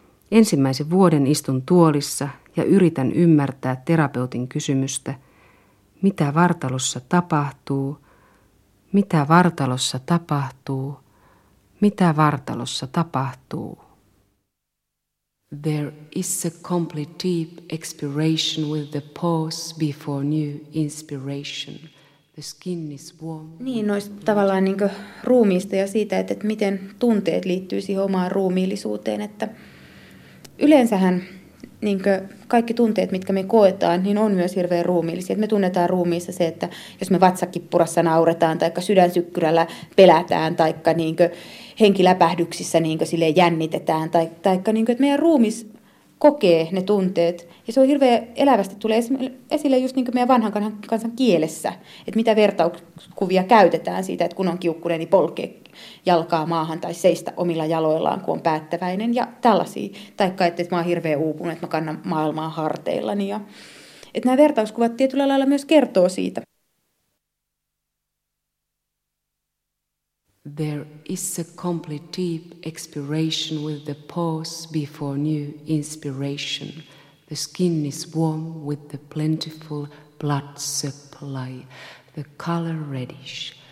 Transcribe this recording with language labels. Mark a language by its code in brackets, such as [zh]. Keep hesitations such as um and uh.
[fi] Ensimmäisen vuoden istun tuolissa ja yritän ymmärtää terapeutin kysymystä, mitä vartalossa tapahtuu, mitä vartalossa tapahtuu, mitä vartalossa tapahtuu. [en] There is a complete deep expiration with the pause before new inspiration. The skin is warm. [fi] Niin, noista tavallaan niin ruumiista ja siitä, että, että miten tunteet liittyy siihen omaan ruumiillisuuteen, että yleensähän niin kaikki tunteet, mitkä me koetaan, niin on myös hirveän ruumiillisia. Me tunnetaan ruumiissa se, että jos me vatsakippurassa nauretaan, tai sydänsykkyrällä pelätään, tai niin henkiläpähdyksissä niin jännitetään, tai, tai niin että meidän ruumis kokee ne tunteet. Ja se on hirveän elävästi tulee esille just niin meidän vanhan kansan kielessä, että mitä vertauskuvia käytetään siitä, että kun on kiukkunen, niin polkee jalkaa maahan tai seistä omilla jaloillaan, kun on päättäväinen ja tällaisia. Taikka, että, että mä oon hirveän uupunut, että mä kannan maailmaa harteillani. Ja, että nämä vertauskuvat tietyllä lailla myös kertoo siitä. [en] There is a complete deep expiration with the pause before new inspiration. The skin is warm with the plentiful blood supply, the color reddish.